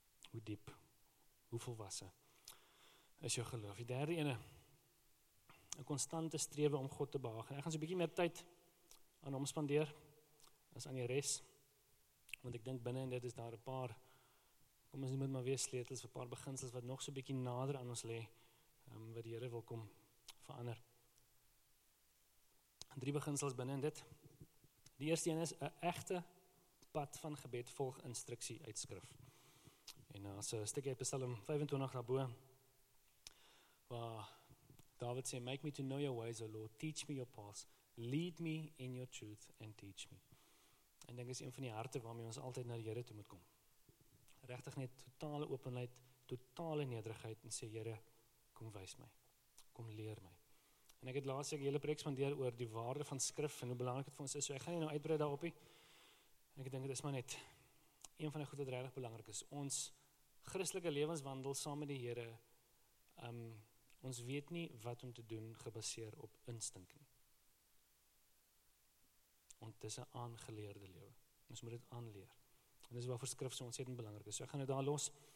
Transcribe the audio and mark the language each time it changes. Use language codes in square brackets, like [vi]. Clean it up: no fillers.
[af] Hoe diep, hoe volwasse is jou geloof? Die derde ene, een constante strewe om God te behaag. En ek gaan so 'n bietjie meer tyd aan hom spandeer as aan die res. Want ek dink binne in dit is daar 'n paar, kom ons nie met maar weer sleutels, 'n paar beginsels wat nog so 'n bietjie nader aan ons lê, wat die Here wil kom verander. Drie beginsels binne in dit. Die eerste een is, 'n echte pad van gebed volg instruksie uit skrif. En as een stukje uit Psalm 25 daarbo, waar David sê, [en] make me to know your ways, O Lord, teach me your paths, lead me in your truth and teach me. [af] En ek dink is een van die harte waarmee ons altyd na die Here toe moet kom. Regtig net totale openheid, totale nederigheid en sê, Here, kom wys my, kom leer my. En ek het laas ek hele preek spandeer oor die waarde van skrif en hoe belangrik het vir ons is. So ek gaan nie nou uitbrei daarop nie. En ek dink dit is maar net een van die goed wat regtig belangrik is. Ons christelike lewenswandel saam met die Here, ons weet nie wat om te doen gebaseer op instink nie. En dit is 'n aangeleerde lewe. Ons moet dit aanleer. En dis waarvoor skrif so ontsettend belangrik is. So ek gaan dit daar los.